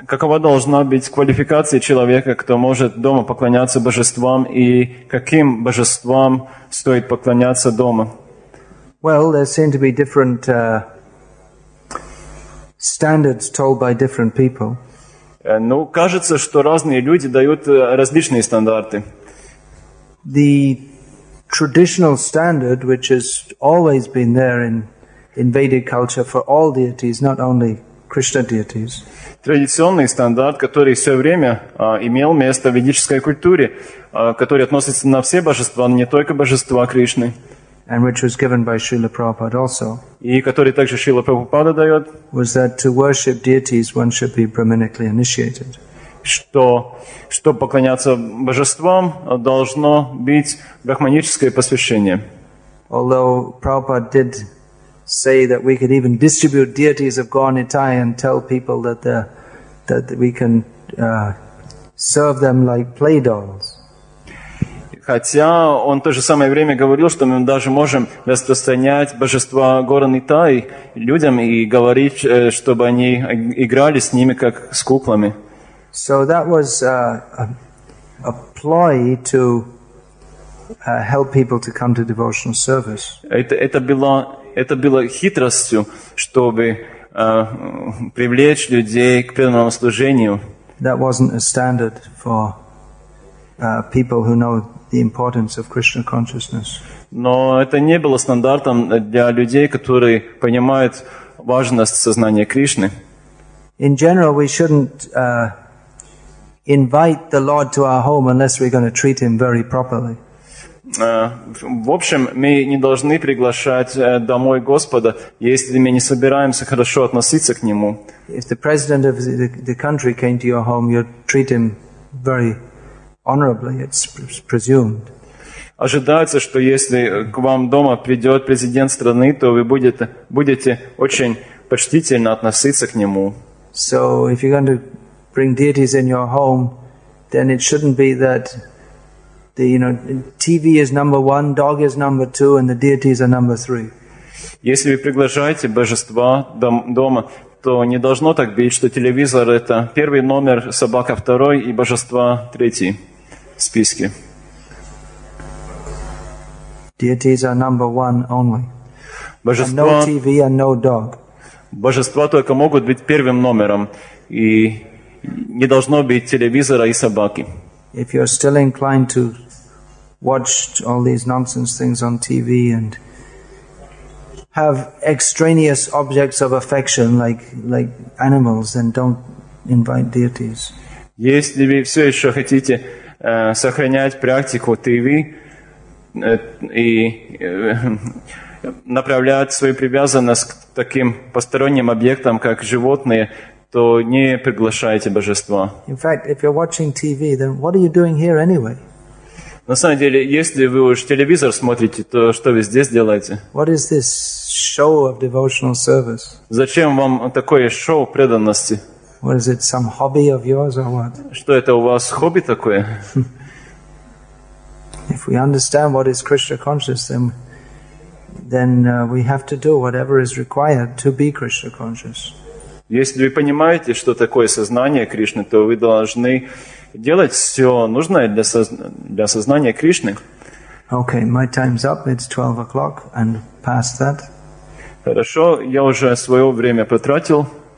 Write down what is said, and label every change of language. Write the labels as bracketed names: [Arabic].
[Russian] Какова должна быть квалификация человека, кто может дома поклоняться божествам, и каким божествам стоит поклоняться дома? [English] Well, there seem to be different standards told by different people. [Russian] Ну, кажется, что разные люди дают различные стандарты. [English] The traditional standard, which has always been there in Vedic culture for all deities, not only Krishna deities. [Russian] Традиционный стандарт, который все время имел место в ведической культуре, который относится на все божества, но не только божества Кришны. [English] And which was given by Srila Prabhupada also. [Russian] И который также Шрила Прабхупада дает. [English] Was that to worship deities, one should be brahminically initiated. [Russian] Что, чтобы поклоняться божествам, должно быть брахманическое посвящение. [English] Although Prabhupada did say that we could even distribute deities of Gaur Nitai and tell people that we can serve them like play dolls. [Russian] Хотя он в то же самое время говорил, что мы даже можем распространять божества Гора Нитай людям и говорить, чтобы они играли с ними как с куклами. [English] So that was a ploy to help people to come to devotional service. [Russian] Это было хитростью, чтобы привлечь людей к преданному служению. [English] That wasn't a standard for people who know the importance of Krishna consciousness. [Russian] Но это не было стандартом для людей, которые понимают важность сознания Кришны. [English] In general, we shouldn't invite the Lord to our home unless we're going to treat him very properly. [Russian] В общем, мы не должны приглашать домой Господа, если мы не собираемся хорошо относиться к нему. [English] If the president of the country came to your home, you'd treat him very honorably, it's presumed. [Russian] Ожидается, что если к вам дома придет президент страны, то вы будете очень почтительно относиться к нему. [English] So if you're going to bring deities in your home, then it shouldn't be that the TV is number one, dog is number two, and the deities are number three. [Russian] Если вы приглашаете божества дома, то не должно так быть, что телевизор это первый номер, собака второй и божества третий в списке. [English] Deities are number one only. [Russian] Божества, [English] and no TV and no dog. [Russian] Божества только могут быть первым номером и не должно быть телевизора и собаки. [English] If you're still inclined to watch all these nonsense things on TV and have extraneous objects of affection like animals, then don't invite deities. [Russian] Если вы все еще хотите сохранять практику тиви и направлять свою привязанность к таким посторонним объектам, как животные, то не приглашайте божество. [English] In fact, if you're watching TV, then what are you doing here anyway? [Russian] На самом деле, если вы уж телевизор смотрите, то что вы здесь делаете? [English] What is this show of devotional service? [Russian] Зачем вам такое шоу преданности? [English] What is it, some hobby of yours or what? [Russian] Что это у вас хобби такое? [English] If we understand what is Krishna conscious, then we have to do whatever is required to be Krishna conscious. [Russian] Если вы понимаете, что такое сознание Кришны, то вы должны делать все нужное для сознания Кришны. [English] Okay, my time's up. It's 12 o'clock and past that. [Russian] Хорошо, я уже свое время потратил.